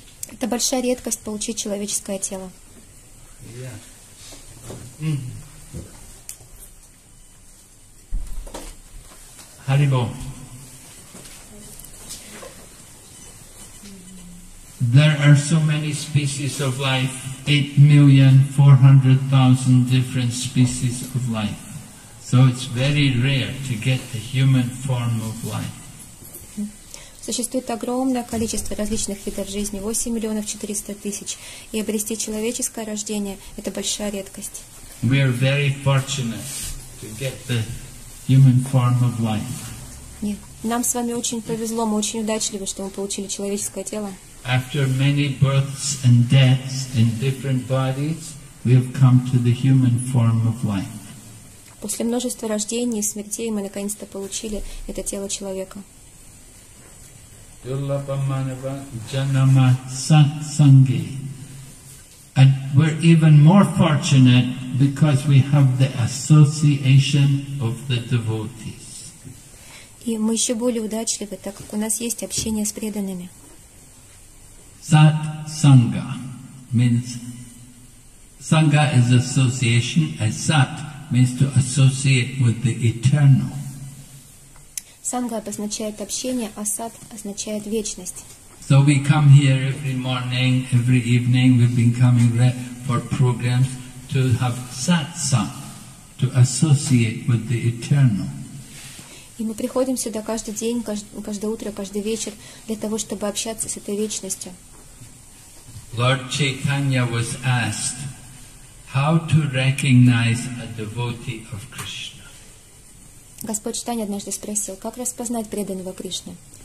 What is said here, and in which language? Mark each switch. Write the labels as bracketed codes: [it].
[ru] Это большая редкость получить человеческое тело. [en] Yeah. Mm-hmm. Haribo. There are so many species of life, 8,400,000 different species of life. So it's very rare to get the human form of life. [ru] Существует огромное количество различных видов жизни, 8,400,000, и обрести человеческое рождение – это большая редкость. [en] We are very fortunate to get the human form of life. [ru] Нам с вами очень повезло, мы очень удачливы, что мы получили человеческое тело. [en] After many births and deaths in different bodies, we have come to the human form of life. [ru] После множества рождений и смертей мы наконец-то получили это тело человека. [bn] Dulabha Manava Janama Satsangi. [en] And we're even more fortunate because we have the association of the devotees. [ru] И мы еще более удачливы, так как у нас есть общение с преданными. Сат-санга. [en] means Sangha is association, and Sat means to associate with the eternal. [ru] Sangha обозначает общение, а Сат означает вечность. [en] So we come here every morning, every evening. We've been coming for programs to have satsang, to associate with the eternal. [ru] И мы приходим сюда каждый день, каждое утро, каждый вечер для того, чтобы общаться с этой вечностью. [en] Lord Chaitanya was asked how to recognize a devotee of Krishna. [ru] Господь Чайтанья однажды спросил, как распознать преданного Кришны.